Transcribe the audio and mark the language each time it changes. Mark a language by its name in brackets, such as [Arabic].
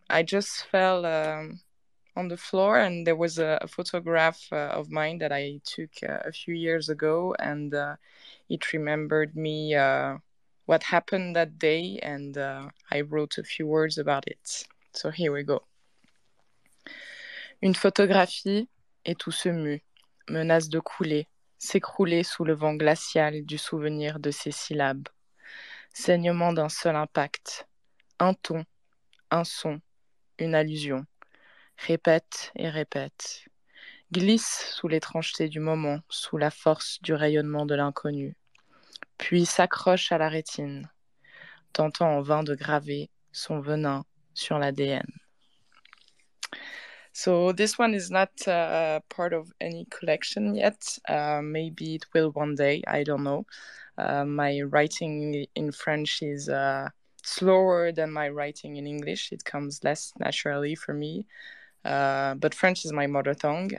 [English] I just fell on the floor and there was a photograph of mine that I took a few years ago. And it remembered me what happened that day. And I wrote a few words about it. So here we go. [French] Une photographie et tout se mue, menace de couler, s'écrouler sous le vent glacial du souvenir de ces syllabes. Saignement d'un seul impact, un ton, un son, une allusion. Répète et répète. Glisse sous l'étrangeté du moment, sous la force du rayonnement de l'inconnu. Puis s'accroche à la rétine, tentant en vain de graver son venin sur l'ADN. [English] So this one is not part of any collection yet. Maybe it will one day, I don't know. My writing in French is slower than my writing in English. It comes less naturally for me. But French is my mother tongue.